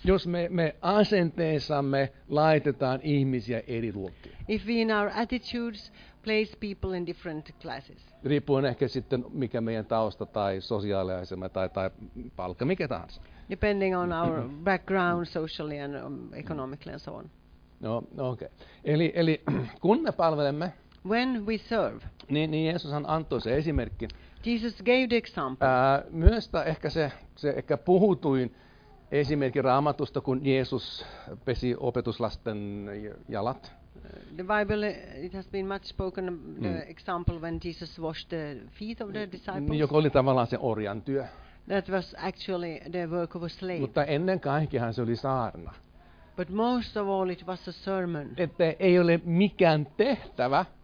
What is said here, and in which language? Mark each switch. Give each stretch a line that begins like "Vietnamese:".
Finnish: Jos me asenteessamme laitetaan ihmisiä eri luokkiin.
English: If we in our attitudes place people in different classes.
Finnish: Riippuen ehkä sitten mikä meidän tausta tai sosiaaliasema tai palkka, mikä tahansa.
English: Depending on our background, socially and economically and so on.
Finnish: No, okay. Eli kun me palvelemme.
English: When we serve.
Finnish: Niin Jeesushan antoi se esimerkki.
English: Jesus gave the example.
Finnish: Myös ehkä se ehkä puhutuin esimerkki Raamatusta, kun Jeesus pesi opetuslasten jalat.
English: The Bible, it has been much spoken the example when Jesus washed the feet of the disciples.
Finnish: Joka oli tavallaan se orjan työ.
English: That was actually the work of a slave.
Finnish: Mutta ennen kaikkihan se oli saarna.
English: But most of all it was a sermon.
Finnish: Että ei ole mikään tehtävä.